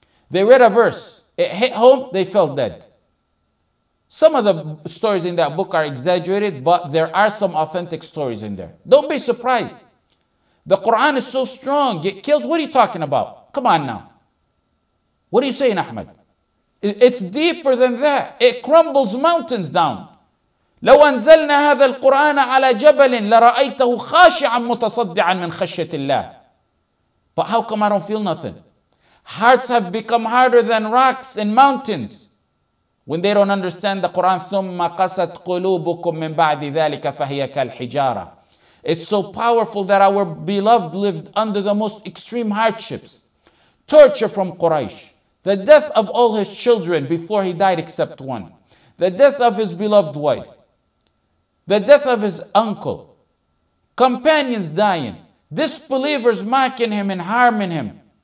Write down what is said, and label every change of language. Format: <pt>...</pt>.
<en>They read a verse, it hit home, they fell dead. Some of the stories in that book are exaggerated, but there are some authentic stories in there. Don't be surprised. The Quran is so strong, it kills. What are you talking about? Come on now. What are you saying, Ahmed? It's deeper than that. It crumbles mountains down.</en> <ar>لو أنزلنا هذا القرآن على جبل لرأيته خاشعا متصدعا من خشية الله.</ar> <en>But how come I don't feel nothing? Hearts have become harder than rocks and mountains when they don't understand the Quran.</en> <ar>ثم قست قلوبكم من بعد ذلك فهي كالحجارة.</ar> <en>It's so powerful that our beloved lived under the most extreme hardships, torture from Quraysh, the death of all his children before he died except one, the death of his beloved wife, the death of his uncle, companions dying, disbelievers mocking him and harming him.</en>